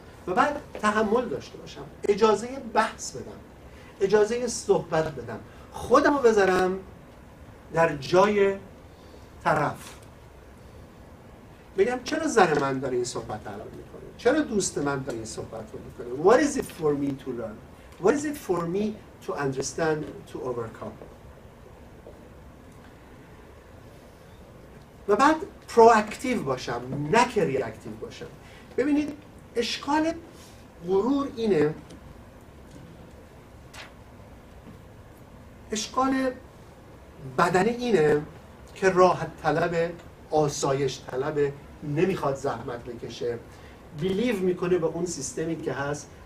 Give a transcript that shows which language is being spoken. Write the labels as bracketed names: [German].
[Persian] بده و بعد تحمل داشته باشم، اجازه بحث بدم، اجازه صحبت بدم، خودمو بذارم در جای طرف، بگم چرا زن من داره این صحبت رو میکنه، چرا دوست من داره این صحبت رو میکنه. [English] What is it for me to learn? What is it for me to understand, to overcome? [Persian] و بعد پرواکتیو باشم، نه که ریاکتیو باشم. ببینید اشکال غرور اینه، اشکال بدنه اینه که راحت طلبه، آسایش طلبه، نمیخواد زحمت بکشه، بیلیو میکنه به اون سیستمی که هست.